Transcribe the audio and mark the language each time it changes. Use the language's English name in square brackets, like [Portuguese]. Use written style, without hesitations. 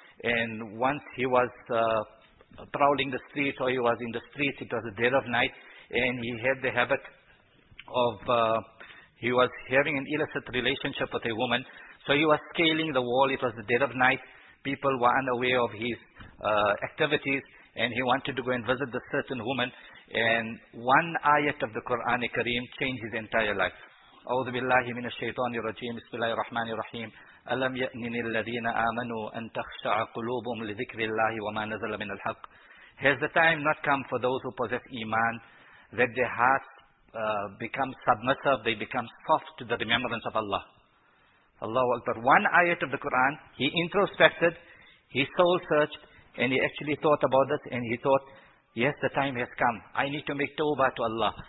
[English] And once he was prowling the streets, or he was in the streets, it was the dead of night, and he had the habit of, he was having an illicit relationship with a woman. So he was scaling the wall, it was the dead of night, people were unaware of his activities, and he wanted to go and visit the certain woman, and one ayat of the Quran Kareem changed his entire life. [Arabic] أعوذ بالله من الشيطان الرجيم بسم الله الرحمن الرحيم ألم يأمن الذين آمنوا أن تخشع قلوبهم لذكر الله وما نزل من الحق. [English] Has the time not come for those who possess iman that their hearts become submissive, they become soft to the remembrance of Allah? Allahu Akbar. One ayat of the Quran, he introspected, he soul searched, and he actually thought about this, and he thought, yes, the time has come, I need to make tawbah to Allah.